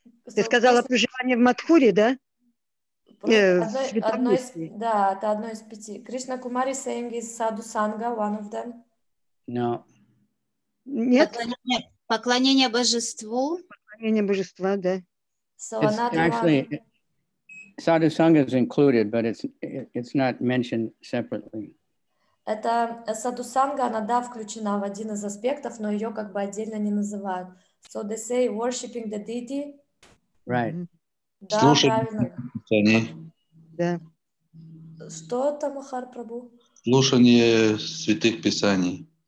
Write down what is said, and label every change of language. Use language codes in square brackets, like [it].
[ru] Ты сказала проживание в Матхуре, да? Одно из пяти. [en] Кришна Кумари saying is Sadhu Sangha, one of them. No. [ru] Нет? Поклонение божеству. Поклонение божества, да. [en] Actually, Sadhu Sangha is included, but it's not mentioned separately. [ru] Это Sadhu Sangha, она, да, включена в один из аспектов, но ее как бы отдельно не называют. [en] So they say worshipping the deity. Right. [ru] Да, слушание. Да. Что там Махарпрабху? Слушание святых писаний.